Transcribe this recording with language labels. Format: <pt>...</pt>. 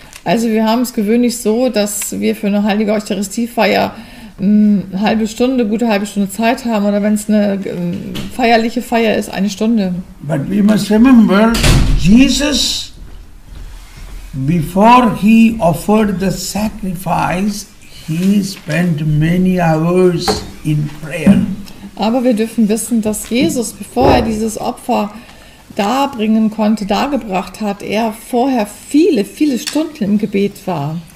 <de>Also wir haben es gewöhnlich so, dass wir für eine heilige Eucharistiefeier eine gute halbe Stunde Zeit haben oder wenn es eine feierliche Feier ist, eine Stunde.</de> <en>But we must remember, Jesus, before he offered the sacrifice, he spent many hours in prayer.</en> <de>Aber wir dürfen wissen, dass Jesus, bevor er dieses Opfer darbringen konnte, dargebracht hat, er vorher viele, viele Stunden im Gebet war.</de>